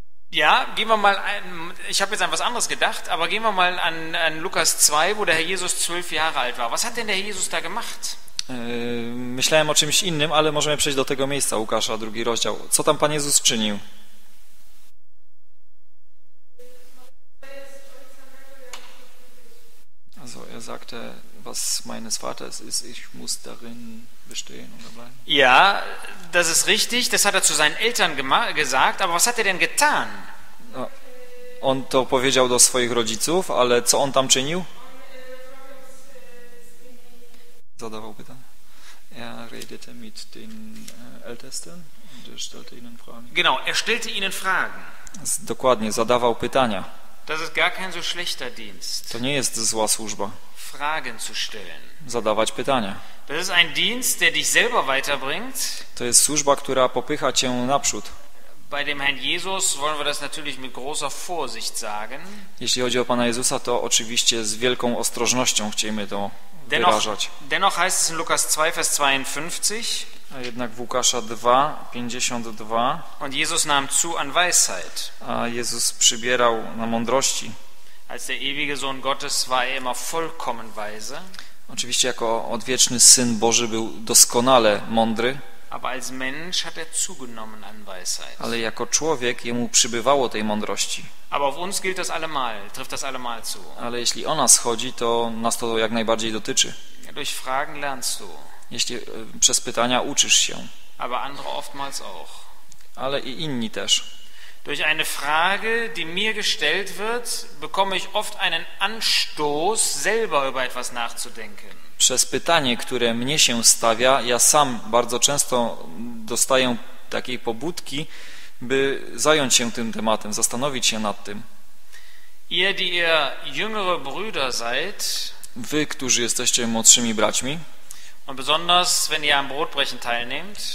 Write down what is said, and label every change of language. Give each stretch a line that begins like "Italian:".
German: Ja, gehen wir mal ich habe jetzt an was anderes gedacht, aber gehen wir mal an Lukas 2, wo der Herr Jesus 12 Jahre alt war. Was hat denn der Jesus da gemacht?
Polish: Myślałem o czymś innym, ale możemy przejść do tego miejsca, Łukasza, drugi rozdział. Co tam Pan Jezus czynił?
German: Also, er sagte, was meines Vaters ist, ich muss darin bestehen oder bleiben. Ja, das ist richtig, das hat er zu seinen Eltern gesagt, aber was hat er denn getan?
Polish: No, on to powiedział do swoich rodziców, ale co on tam czynił? Zadawał pytanie.
German: Er redete mit den Ältesten und er stellte ihnen Fragen. Genau, er stellte ihnen Fragen.
Polish: Dokładnie, zadawał pytania.
German: Das ist gar kein so schlechter Dienst.
Polish: To nie jest zła służba.
German: Fragen zu stellen.
Polish: Zadawać pytania.
German: Das ist ein Dienst, der dich selber weiterbringt.
Polish: To jest służba, która popycha cię naprzód.
German: Bei dem Herrn Jesus wollen wir das natürlich mit großer Vorsicht sagen.
Polish: Jeśli chodzi o Pana Jezusa, to oczywiście z wielką ostrożnością chcemy to wyrażać.
German: Dennoch heißt es in Lukas 2, Vers 52.
Polish: A jednak w Łukasza 2, 52.
German: Und Jesus nahm zu an Weisheit.
Polish: A Jezus przybierał na mądrości.
German: Als der ewige Sohn Gottes war er immer vollkommen weise.
Polish: Oczywiście jako odwieczny Syn Boży był doskonale mądry.
German: Aber als Mensch hat zugenommen an Weisheit.
Polish: Ale jako człowiek jemu przybywało tej mądrości.
German: Aber auf uns gilt das allemal, trifft das allemal zu.
Polish: Ale jeśli o nas chodzi, to nas to jak najbardziej dotyczy.
German: Durch Fragen lernst du.
Polish: Jeśli przez pytania uczysz się.
German: Aber andere oftmals auch.
Polish: Ale i inni też.
German: Durch eine Frage, die mir gestellt wird, bekomme ich oft einen Anstoß, selber über etwas nachzudenken.
Polish: Przez pytanie, które mnie się stawia, ja sam bardzo często dostaję takiej pobudki, by zająć się tym tematem, zastanowić się nad tym.
German: Ihr, die ihr jüngere Brüder seid,
Polish: wy, którzy jesteście młodszymi braćmi,
German: und besonders, wenn ihr am Brotbrechen teilnehmt,